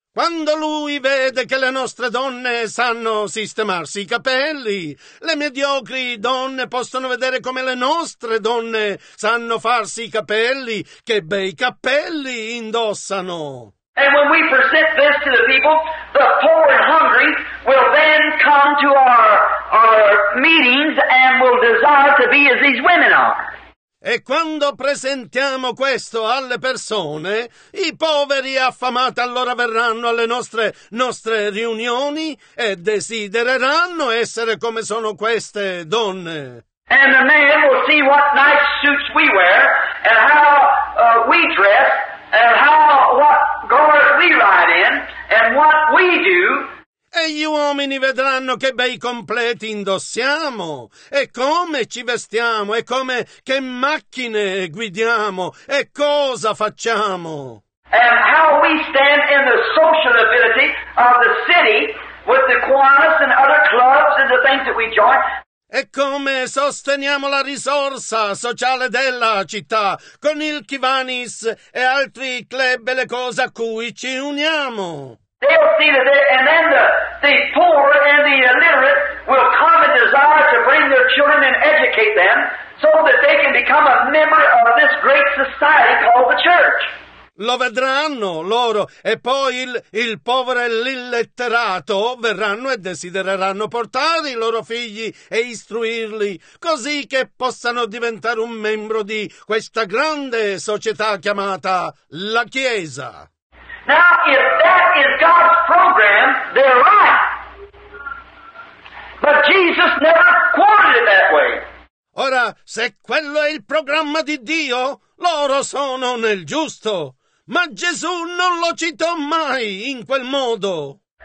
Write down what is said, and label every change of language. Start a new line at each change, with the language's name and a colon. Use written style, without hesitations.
Italian: Quando lui vede che le nostre donne sanno sistemarsi i capelli, le mediocri donne possono vedere come le nostre donne sanno farsi i capelli, che bei capelli indossano.
English: And when we present this to the people, the poor and hungry will then come to our meetings and will desire to be as these women are.
Italian: E quando presentiamo questo alle persone, i poveri affamati allora verranno alle nostre riunioni e desidereranno essere come sono queste donne.
English: And the man will see what nice suits we wear, and how we dress, and how what garments we ride in, and what we do.
Italian: E gli uomini vedranno che bei completi indossiamo, e come ci vestiamo, e come che macchine guidiamo, e cosa facciamo.
English: And how we stand in the social ability of the city with the Kiwanis and other clubs and the things that we join.
Italian: E come sosteniamo la risorsa sociale della città con il Kiwanis e altri club e le cose a cui ci uniamo.
English: They'll see that and then the poor and the illiterate will come and desire to bring their children and educate them so that they can become a member of this great society called the church.
Italian: Lo vedranno loro e poi il povero e l'illetterato verranno e desidereranno portare i loro figli e istruirli così che possano diventare un membro di questa grande società chiamata la Chiesa.
English: Now, if that is God's program, they're right. But Jesus never quoted it that way.
Italian: Ora, se quello è il programma di Dio, loro sono nel giusto, ma Gesù non lo citò mai in quel modo.